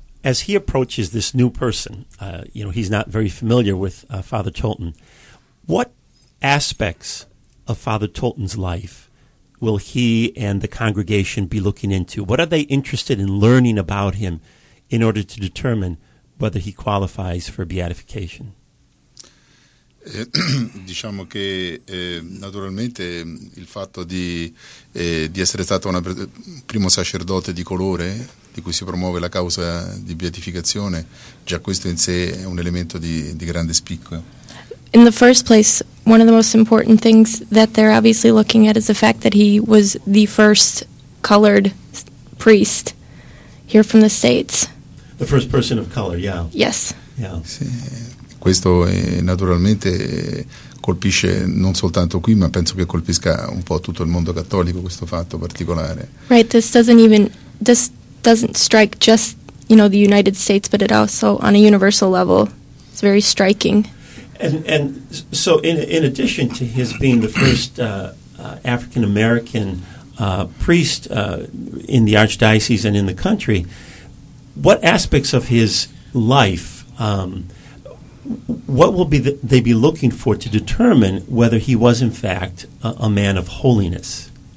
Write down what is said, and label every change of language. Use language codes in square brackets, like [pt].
[en] As he approaches this new person, he's not very familiar with Father Tolton. What aspects of Father Tolton's life will he and the congregation be looking into? What are they interested in learning about him in order to determine whether he qualifies for beatification? [it] Diciamo che naturalmente il fatto di essere stato un primo sacerdote di colore di cui si promuove la causa di beatificazione, già questo in sé è un elemento di grande spicco. [en] In the first place, one of the most important things that they're obviously looking at is the fact that he was the first colored priest here from the States. The first person of color, yeah. Yes. Yeah. [it] Sì. Questo naturalmente colpisce non soltanto qui, ma penso che colpisca un po' tutto il mondo cattolico questo fatto particolare. [en] Right, this doesn't strike just, the United States, but it also on a universal level. It's very striking. And so in addition to his being the first African American priest in the archdiocese and in the country, what aspects of his life what will they be looking for to determine whether he was in fact a man of holiness?